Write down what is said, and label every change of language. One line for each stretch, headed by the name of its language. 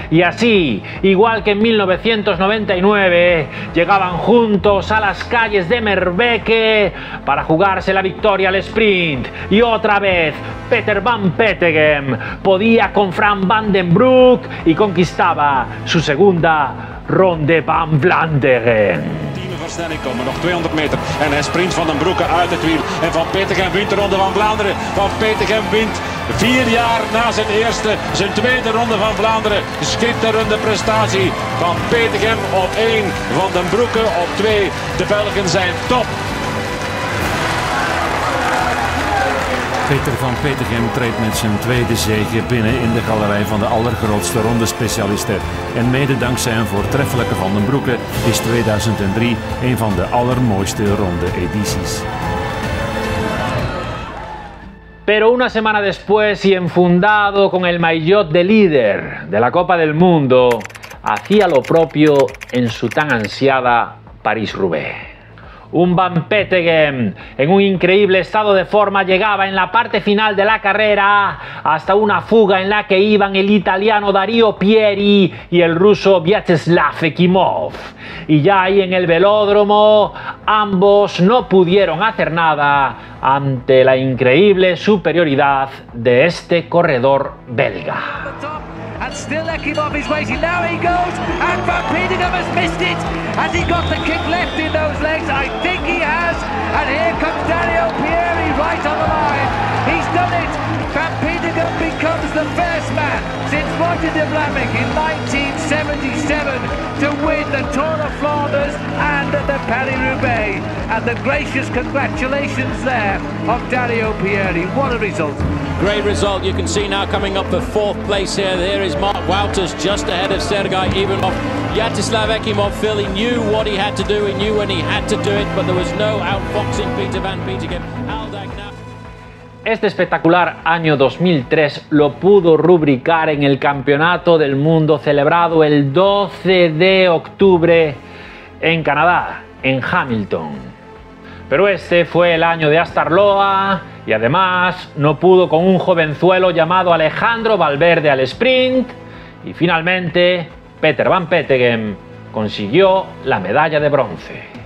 Spanish: Y así, igual que en 1999, llegaban juntos a las calles de Merbeke para jugarse la victoria al sprint. Y otra vez, Peter Van Petegem podía con Frank Van den Broek y conquistaba su segunda Ronde van Vlaanderen.
Dutch: Versnelling komen, nog 200 meter. En hij sprint Van den Broeke uit het wiel. En Van Petegem wint de Ronde van Vlaanderen. Van Petegem wint 4 jaar na zijn eerste, zijn tweede Ronde van Vlaanderen. Schitterende prestatie. Van Petegem op 1, Van den Broeke op 2. De Belgen zijn top. Peter van Petergem treedt met zijn tweede zege binnen in de galerij van de allergrootste rondespecialisten. En mede dankzij een voortreffelijke Van den Broeke is 2003 een van de allermooiste ronde edities.
Spanish: Pero una semana después y enfundado con el maillot de líder de la Copa del Mundo, hacía lo propio en su tan ansiada París-Roubaix. Un Van Petegem en un increíble estado de forma llegaba en la parte final de la carrera hasta una fuga en la que iban el italiano Darío Pieri y el ruso Vyacheslav Ekimov. Y ya ahí en el velódromo, ambos no pudieron hacer nada ante la increíble superioridad de este corredor belga.
English: And still Ekimov is waiting. Now he goes, and Van Petegem has missed it. Has he got the kick left in those legs? I think he has. And here comes Dario Pieri right on the line. He's done it. Van Petegem becomes the first man since Roger de Vlaeminck in 1977 to win the Tour de Flanders and the Paris-Roubaix. And the gracious congratulations there of Dario Pieri. What a result. Great result. You can see now coming up for fourth place here. There is Mark Wouters just ahead of Sergei Ivanov. Vyacheslav Ekimov, Phil, he knew what he had to do. He knew when he had to do it, but there was no outfoxing Peter Van Petegem.
Spanish: Este espectacular año 2003 lo pudo rubricar en el Campeonato del Mundo celebrado el 12 de octubre en Canadá, en Hamilton. Pero este fue el año de Astarloa y además no pudo con un jovenzuelo llamado Alejandro Valverde al sprint y finalmente Peter Van Petegem consiguió la medalla de bronce.